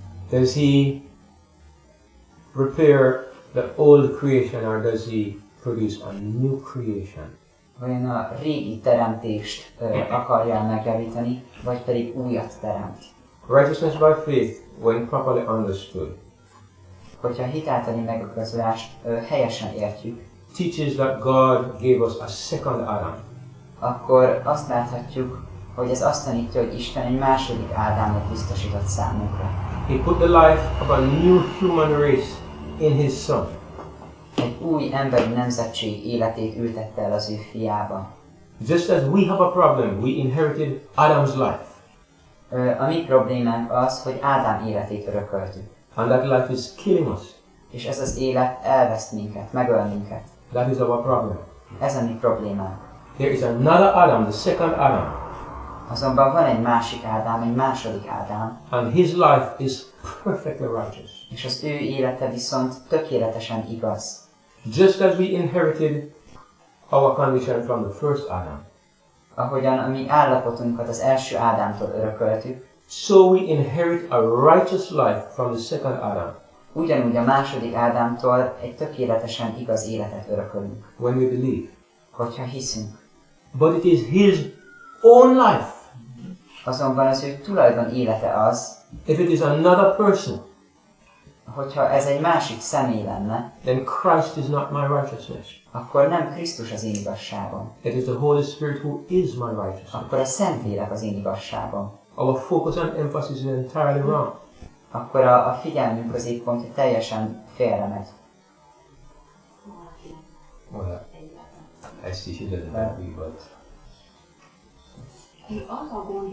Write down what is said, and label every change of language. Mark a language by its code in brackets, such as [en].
[en] Does he repair the old creation, or does he produce a new creation? [hu] Vajon a régi teremtést akarja megjavítani, vagy pedig újat teremt. [en] Righteousness by faith, when properly understood. [hu] Hogyha a hitáltali megigazulást helyesen értjük. [en] Teaches that God gave us a second Adam. [hu] Akkor azt láthatjuk, hogy ez azt tanítja, hogy Isten egy második Ádámot biztosított számunkra. [en] He put the life of a new human race in his son. [hu] Egy új emberi nemzetség életét ültette el az ő fiába. [en] Just as we have a problem, we inherited Adam's life. [hu] A mi problémánk az, hogy Ádám életét örököltük. [en] And that life is killing us. [hu] És ez az élet elveszt minket, megöl minket. [en] That is our problem. [hu] Ez a mi problémánk. [en] There is another Adam, the second Adam. [hu] Azonban van egy másik Ádám, egy második Ádám. [en] And his life is perfectly righteous. [hu] És az ő élete viszont tökéletesen igaz. [en] Just as we inherited our condition from the first Adam. [hu] Ahogyan a mi állapotunkat az első Ádámtól örököltük. [en] So we inherit a righteous life from the second Adam. [hu] Ugyanúgy a második Ádámtól egy tökéletesen igaz életet örökölünk. [en] When we believe. [hu] Hogyha hiszünk. [en] But it is his own life. [hu] Azonban az ő tulajdon élete az. [en] If it is another person. [hu] Hogyha ez egy másik személy lenne, [en] then Christ is not my righteousness. [hu] Akkor nem Krisztus az én igazságom. [en] It is the Holy Spirit who is my righteousness. [hu] Akkor a Szentlélek az én igazságom. [en] Our focus and emphasis is entirely wrong. [hu] Akkor a figyelmünk középpontja teljesen félre megy. [en] Well, I see she doesn't agree, but... [hu] Ő az a gond